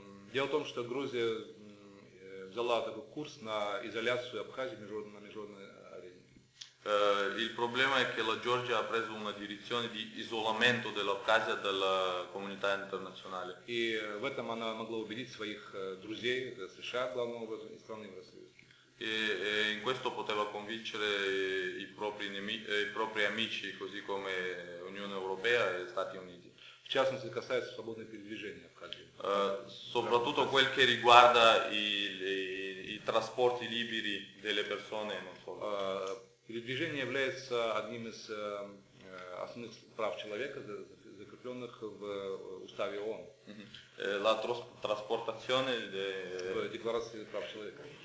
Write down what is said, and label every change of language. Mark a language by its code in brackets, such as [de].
[ru] Дело в том, что Грузия взяла такой курс на изоляцию Абхазии на международной арене. [it] Il problema è che la Georgia ha preso una direzione di isolamento dell'Abkhazia dalla comunità internazionale. [ru] И в этом она могла убедить своих друзей, США, главным образом, и страны Евросоюза. [it] E in questo poteva convincere i propri amici, così come Unione Europea e Stati Uniti. [ru] В частности, касается свободного передвижения в Абхазии. [it] Soprattutto quel che riguarda i trasporti liberi delle persone, non solo. [ru] Передвижение является одним из основных прав человека, закрепленных в Уставе ООН. [it] La trasportazione [ru] в декларации прав человека.